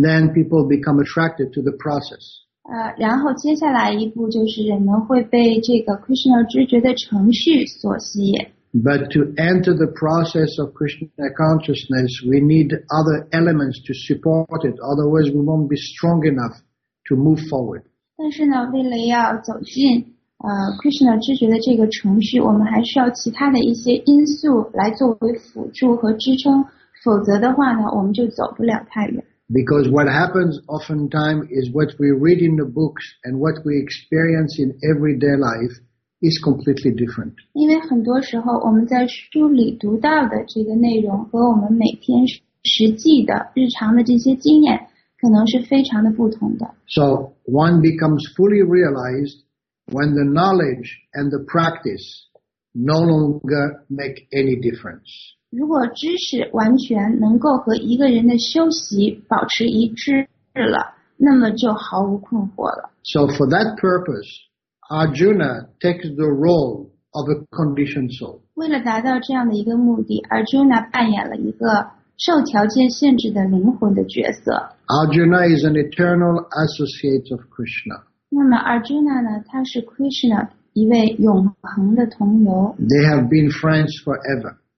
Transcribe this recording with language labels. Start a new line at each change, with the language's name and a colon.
English: then people become attracted to the process.
Chinese: 然后接下来一步就是人们会被这个 Krishna知觉的程序所吸引。
English: But to enter the process of Krishna consciousness, we need other elements to support it. Otherwise, we won't be strong enough to move forward.
Chinese: 但是呢，为了要走进Krishna 知觉的这个程序，我们还需要其他的一些因素来作为辅助和支撑。否则的话呢，我们就走不了太远。
English: Because what happens oftentimes is what we read in the books and what we experience in everyday life is completely different.
Chinese: 因为很多时候我们在书里读到的这个内容和我们每天实际的日常的这些经验可能是非常的不同的。
English: So one becomes fully realized when the knowledge and the practice no longer make any difference.
Chinese: 如果知识完全能够和一个人的修习保持一致了，那么就毫无困惑了。
English: So for that purpose, Arjuna takes the role of a conditioned soul.
Chinese: 为了达到这样的一个目的， Arjuna 扮演了一个受条件限制的灵魂的角色。
English: Arjuna is an eternal associate of Krishna.
Chinese: 那么 Arjuna 呢，他是 Krishna 一位永恒的同游。
English: They have been friends forever.